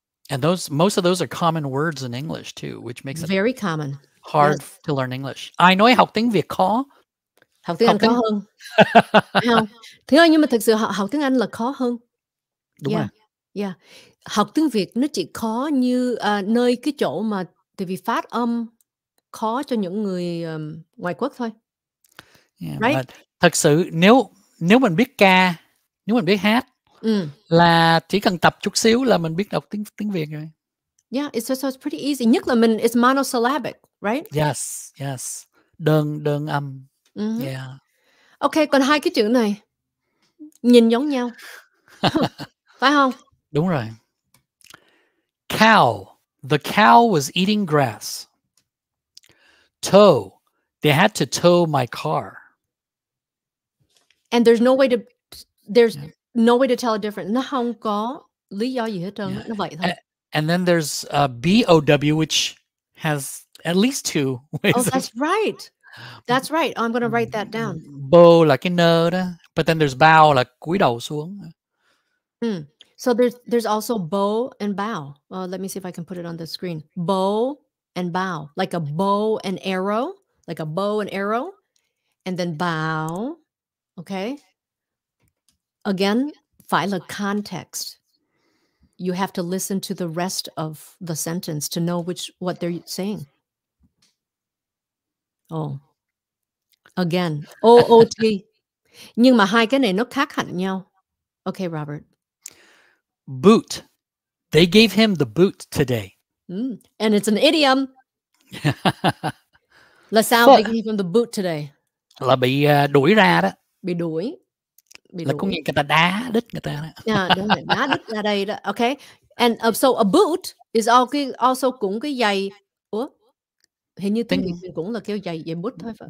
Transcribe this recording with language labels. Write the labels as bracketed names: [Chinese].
[English] And those, most of those are common words in English too, which makes it very common. Hard yes. To learn English. I know [Vietnamese] học tiếng Việt khó. Học tiếng Anh khó hơn. Thế thôi, nhưng mà thực sự học tiếng Anh là khó hơn. Đúng rồi. [English] Yeah. [Vietnamese] Học tiếng Việt nó chỉ khó như nơi cái chỗ mà tại vì phát âm khó cho những người ngoại quốc thôi. [English] Yeah, right? [Vietnamese] Thật sự nếu mình biết ca, nếu mình biết hát là chỉ cần tập chút xíu là mình biết đọc tiếng Việt rồi. [English] Yeah, it's pretty easy. [Vietnamese] Nhất là mình [English] it's monosyllabic, right? Yes, yes. [Vietnamese] Đơn âm. [English] Mm-hmm. Yeah. [Vietnamese] Okay, còn hai cái chữ này nhìn giống nhau. Phải không? Đúng rồi. [English] Cow. The cow was eating grass. Tow. They had to tow my car. And there's no way to no way to tell a difference. [Vietnamese] Nó không có lý do gì hết trơn. Nó vậy thôi. [English] And then there's a B-O-W, which has at least two ways. Oh, that's right. That's right. Oh, I'm going to write that down. [Vietnamese] Bo là cái nơ đó. [English] But then there's bow [Vietnamese] là cúi đầu xuống. [English] Hmm. So there's also bow and bow. Let me see if I can put it on the screen. Bow and bow. Like a bow and arrow. Like a bow and arrow. And then bow. Okay. [Vietnamese] Again, phải là context. [English] You have to listen to the rest of the sentence to know what they're saying. Oh. Again. O-O-T. [Vietnamese] Nhưng mà hai cái này nó khác hẳn nhau. [English] Okay, Robert. Boot. They gave him the boot today. And it's an idiom. [Vietnamese] La sao [English] they gave him the boot today? [Vietnamese] Là bị đuổi ra đó. Bị đuổi. Là có nghĩa người ta đá đít người ta đó. Đúng rồi, đá đít ra đây đó. [English] Okay. And so a boot is also [Vietnamese] cũng cái giày. Ủa? Hình như tiếng Việt cũng là kêu giày bút thôi phải.